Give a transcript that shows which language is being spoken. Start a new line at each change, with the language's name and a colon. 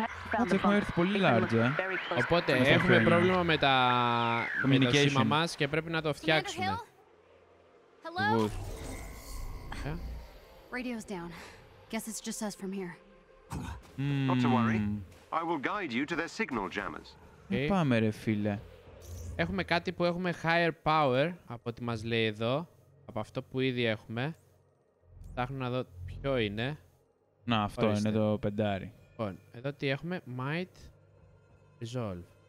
Greek: Κάτσε, έχουμε έρθει πολύ large, ε. Οπότε έχουμε πρόβλημα με τα σήμα μας και πρέπει να το φτιάξουμε.
English: Radio's down. Guess it's just us from here. Mm. Not to worry. I will guide you to their signal jammers.
Greek: Okay. Πάμε ρε φίλε. Έχουμε κάτι που έχουμε higher power από ό,τι μας λέει εδώ. Από αυτό που ήδη έχουμε. Ψάχνω να δω ποιο είναι. Να, αυτό. Ορίστε. Είναι το πεντάρι. Λοιπόν, εδώ τι έχουμε.
English: Might resolve.